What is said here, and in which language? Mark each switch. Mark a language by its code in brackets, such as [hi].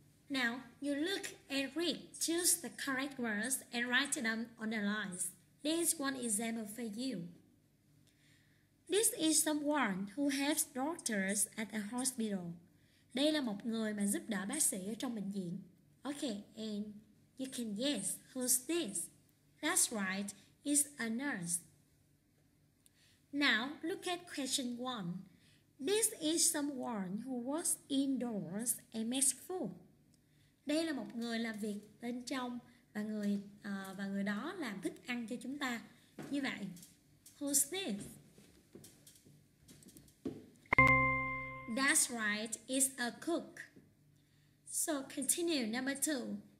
[en] Now, you look and read, choose the correct words and write them on the lines. There's one example for you. This is someone who helps doctors at a hospital. [vi] Đây là một người mà giúp đỡ bác sĩ ở trong bệnh viện. [en] Okay, and you can guess who's this. That's right, it's a nurse. Now, look at question one. This is someone who works indoors and makes food. [vi] Đây là một người làm việc bên trong và người đó làm thức ăn cho chúng ta. Như vậy, [en] who's this? That's right, it's a cook. So continue, number two.